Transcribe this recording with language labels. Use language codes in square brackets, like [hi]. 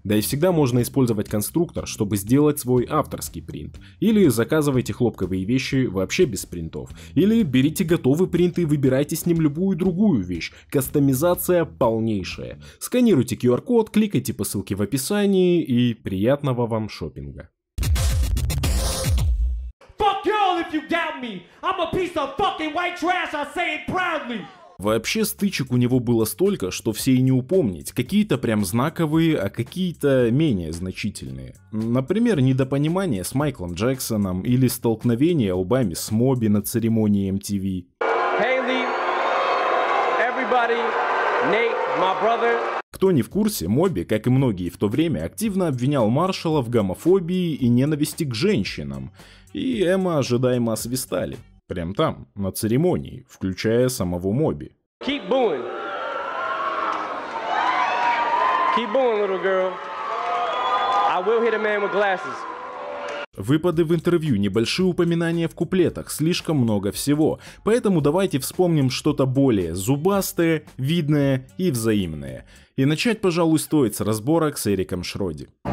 [ru] Да и всегда можно использовать конструктор, чтобы сделать свой авторский принт. Или заказывайте хлопковые вещи вообще без принтов. Или берите готовый принт и выбирайте с ним любую другую вещь. Кастомизация полнейшая. Сканируйте QR-код, кликайте по ссылке в описании и приятного вам шопинга. [en] If you doubt me, I'm a piece of fucking white trash, I say it proudly. [ru] Вообще, стычек у него было столько, что все и не упомнить. Какие-то прям знаковые, а какие-то менее значительные. Например, недопонимание с Майклом Джексоном или столкновение лбами с Моби на церемонии MTV. [en] Hey, everybody, Nate, my brother. [ru] Кто не в курсе, Моби, как и многие в то время, активно обвинял Маршалла в гомофобии и ненависти к женщинам. И Эмма ожидаемо освистали. Прям там, на церемонии, включая самого Моби. [en] Keep booing. Keep booing, little girl. I will hit a man with glasses. [ru] Выпады в интервью, небольшие упоминания в куплетах, слишком много всего. Поэтому давайте вспомним что-то более зубастое, видное и взаимное. И начать, пожалуй, стоит с разборок с Эриком Шроди.